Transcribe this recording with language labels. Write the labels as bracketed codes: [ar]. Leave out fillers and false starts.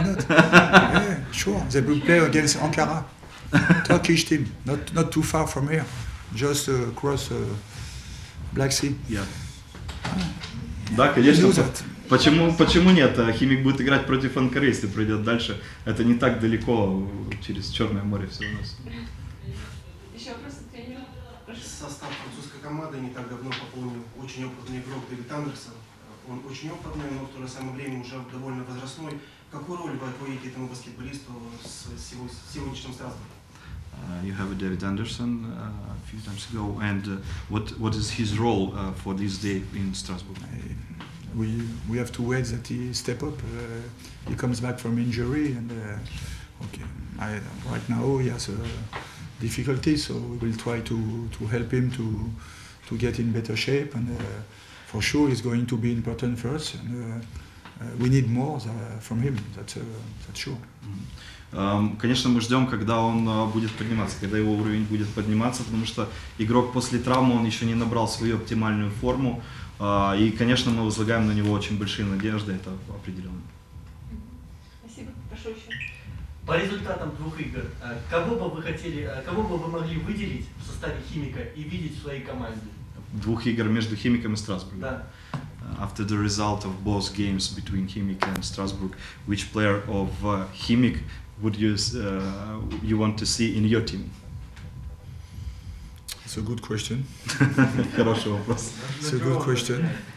[en] Yeah, sure, they will play against Ankara, Turkish team, not too far from here, just across Black Sea. [ru] Yeah. Да, конечно. Почему нет? Химик будет играть против Анкары, если пройдет дальше. Это не так далеко, через Черное море все у нас. Еще вопросы к тренеру? Прошу. состав французской команды не так давно пополнил очень опытный игрок Дэвид Андерсон. Он очень опытный, но в то же самое время уже довольно возрастной. Какую роль вы отводите этому баскетболисту с его сегодняшним стартом? [en] You have a David Anderson a few times ago, and what is his role for this day in Strasbourg? We have to wait that he step up. He comes back from injury, and right now he has a difficulty, so we will try to help him to get in better shape, and for sure he's going to be important for us. And, we need more from him. That's sure. [ru] Конечно, мы ждем, когда он будет подниматься, когда его уровень будет подниматься, потому что игрок после травмы, он еще не набрал свою оптимальную форму. И, конечно, мы возлагаем на него очень большие надежды, это определенно. Спасибо. Прошу еще. По результатам двух игр, кого бы вы могли выделить в составе Химика и видеть в своей команде? Двух игр между Химиком и Страсбургом? Да. [en] After the result of both games between Химик and Strasbourg, which player of Химик would you want to see in your team? It's a good question. [ru] Хороший вопрос. [en] It's a good question.